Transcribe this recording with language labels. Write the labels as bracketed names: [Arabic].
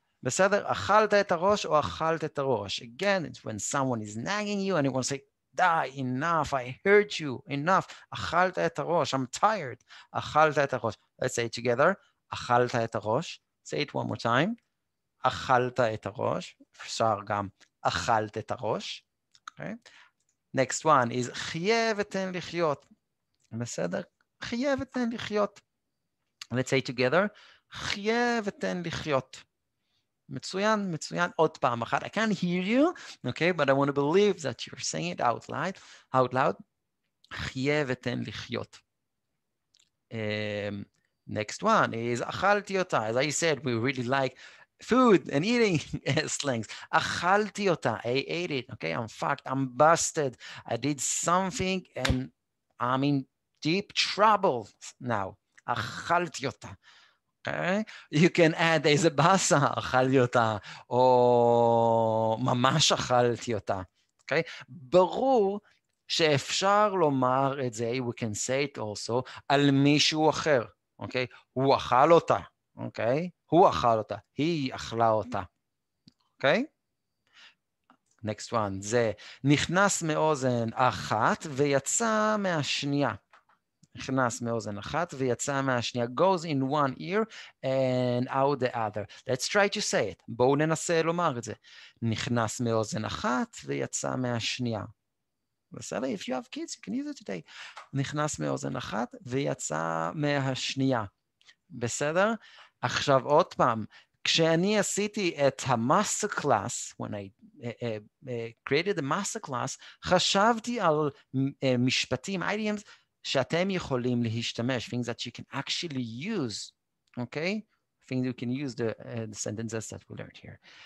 [Hebrew] בסדר, אכלת את הראש או אכלת את הראש? [English] Again, it's when someone is nagging you and you want to say, die, enough, I hurt you, enough. [Hebrew] אכלת את הראש, [English] I'm tired. [Hebrew] אכלת את הראש. [English] Let's say it together. [Hebrew] אכלת את הראש, [English] say it one more time, [Hebrew] אכלת את הראש, אפשר גם אכלת את הראש, okay. [English] Next one is [Hebrew] חיה ותן לחיות, בסדר? חיה ותן לחיות, [English] let's say together, חיה ותן לחיות, [Hebrew] מצוין, מצוין, עוד פעם אחת, [English] I can't hear you, okay, but I want to believe that you're saying it out loud, חיה ותן לחיות. Next one is [Hebrew] אכלתי אותה. [English] As I said, we really like food and eating slangs. [Hebrew] אכלתי אותה. [English] I ate it. Okay, I'm fucked. I'm busted. I did something and I'm in deep trouble now. [Hebrew] אכלתי אותה. Okay? [English] You can add [Hebrew] איזה בסה, אכלתי אותה. או ממש אכלתי אותה. Okay? ברור שאפשר לומר את זה, [English] we can say it also, [Hebrew] על מישהו אחר. אוקיי? הוא אכל אותה, אוקיי? הוא אכל אותה, היא אכלה אותה, אוקיי? [English] Next one, [Hebrew] זה נכנס מאוזן אחת ויצא מהשנייה. נכנס מאוזן אחת ויצא מהשנייה. [English] Goes in one ear and out the other. Let's try to say it. [Hebrew] בואו ננסה לומר את זה. נכנס מאוזן אחת ויצא מהשנייה. בסדר, [English] if you have kids, you can use it today. [Hebrew] נכנס מאוזן אחת ויצא מהשנייה. בסדר? עכשיו עוד פעם, כשאני עשיתי את המאסטר קלאס, [English] when I created the master class, [Hebrew] חשבתי על משפטים, idioms, שאתם יכולים להשתמש, [English] things that you can actually use, okay? Things you can use the sentences that we learned here.